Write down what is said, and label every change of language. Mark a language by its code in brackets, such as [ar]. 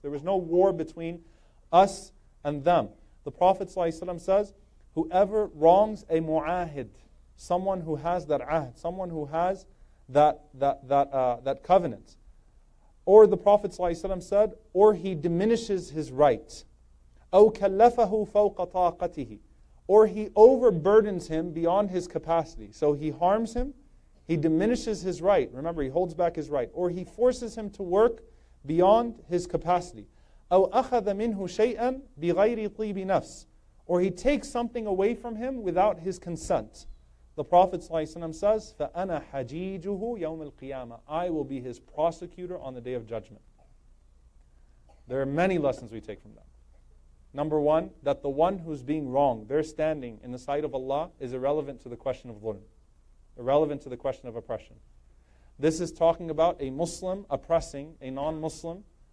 [en] There was no war between us and them. The Prophet ﷺ says, whoever wrongs a mu'ahid, someone who has that ahd, someone who has that covenant, or the Prophet ﷺ said, or he diminishes his right. [ar] أَوْ كَلَّفَهُ فَوْقَ طَاقَتِهِ. [en] Or he overburdens him beyond his capacity. So he harms him, he diminishes his right. Remember, he holds back his right. Or he forces him to work beyond his capacity. [ar] أَوْ أَخَذَ مِنْهُ شَيْئًا بِغَيْرِ طِيبِ نَفْسِ. [en] Or he takes something away from him without his consent. The Prophet ﷺ says, [ar] فَأَنَا حَجِيجُهُ يَوْمَ الْقِيَامَةِ. [en] I will be his prosecutor on the Day of Judgment. There are many lessons we take from that. Number one, that the one who's being wrong, their standing in the sight of Allah, is irrelevant to the question of dhulm, irrelevant to the question of oppression. This is talking about a Muslim oppressing a non-Muslim.